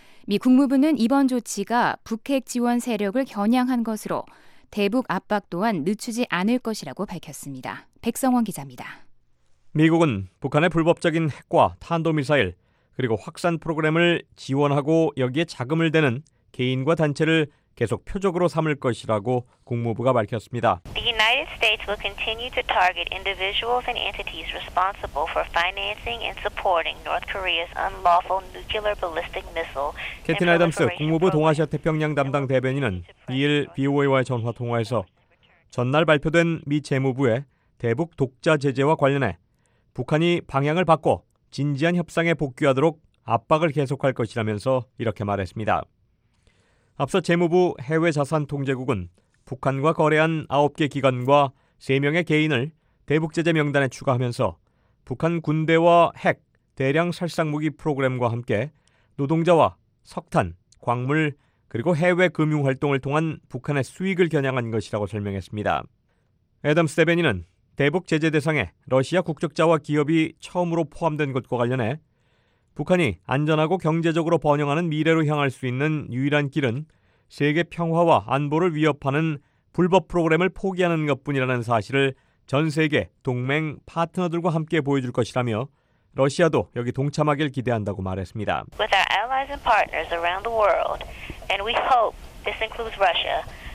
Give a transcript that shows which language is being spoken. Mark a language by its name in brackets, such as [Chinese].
[Korean] 미 국무부는 이번 조치가 북핵 지원 세력을 겨냥한 것으로 대북 압박 또한 늦추지 않을 것이라고 밝혔습니다. 백성원 기자입니다. 미국은 북한의 불법적인 핵과 탄도미사일 그리고 확산 프로그램을 지원하고 여기에 자금을 대는 개인과 단체를 계속 표적으로 삼을 것이라고 국무부가 밝혔습니다. [English] The United States will continue to target individuals and entities responsible for financing and supporting North Korea's unlawful nuclear ballistic missile. [Korean] 캐티 나이덤스 국무부 동아시아 태평양 담당 대변인은 이일 BOA와의 전화 통화에서 전날 발표된 미 재무부의 대북 독자 제재와 관련해 북한이 방향을 바꿔 진지한 협상에 복귀하도록 압박을 계속할 것이라면서 이렇게 말했습니다. 앞서 재무부 해외자산통제국은 북한과 거래한 9개 기관과 3명의 개인을 대북제재 명단에 추가하면서 북한 군대와 핵, 대량 살상무기 프로그램과 함께 노동자와 석탄, 광물, 그리고 해외 금융활동을 통한 북한의 수익을 겨냥한 것이라고 설명했습니다. 애덤스 대변인은 대북제재 대상에 러시아 국적자와 기업이 처음으로 포함된 것과 관련해 북한이 안전하고 경제적으로 번영하는 미래로 향할 수 있는 유일한 길은 세계 평화와 안보를 위협하는 불법 프로그램을 포기하는 것뿐이라는 사실을 전 세계 동맹 파트너들과 함께 보여줄 것이라며 러시아도 여기 동참하길 기대한다고 말했습니다. [English] With our allies and partners around the world, and we hope this includes Russia.